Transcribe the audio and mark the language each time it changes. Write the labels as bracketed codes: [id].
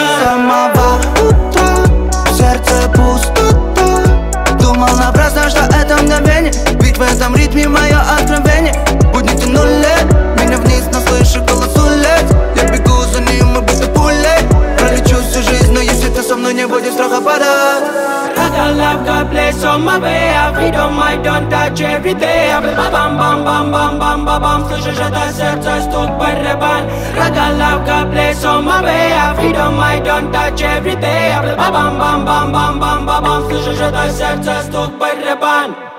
[ru] С самого утра сердце пустота. Думал напрасно, что это мгновенье. Ведь в этом ритме мое откровение. Будни тянули меня вниз, но слышу голос улет. Я бегу за ним и будто пулей. Пролечу всю жизнь, но если ты со мной не будешь, страха падать. [en] Love God bless on my way. Freedom I don't touch every day. [ru] Бам бам бам бам бам бам бам. Слышишь это сердце стук барабан. [en] Рада love God bless on my way. Freedom I don't touch every day. [ru] Бам бам бам бам бам бам бам. Слышишь это сердце стук барабан.